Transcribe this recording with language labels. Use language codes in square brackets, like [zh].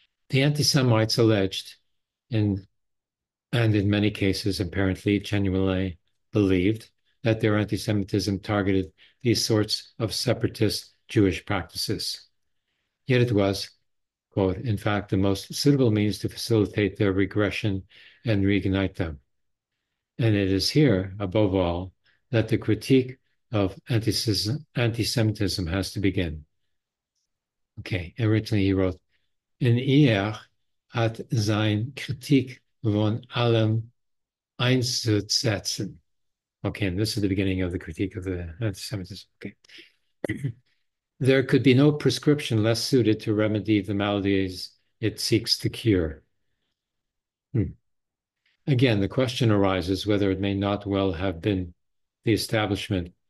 [en] The anti-Semites alleged, and in many cases apparently genuinely believed, that their anti-Semitism targeted these sorts of separatist Jewish practices. Yet it was, quote, in fact, the most suitable means to facilitate their regression and reignite them. And it is here, above all, that the critique of anti-Semitism has to begin. Okay, originally he wrote, [de] in ihr hat sein Kritik von allem einzusetzen. [en] Okay, and this is the beginning of the critique of the anti-Semitism. Okay. There could be no prescription less suited to remedy the maladies it seeks to cure. Again, the question arises whether it may not well have been the establishment.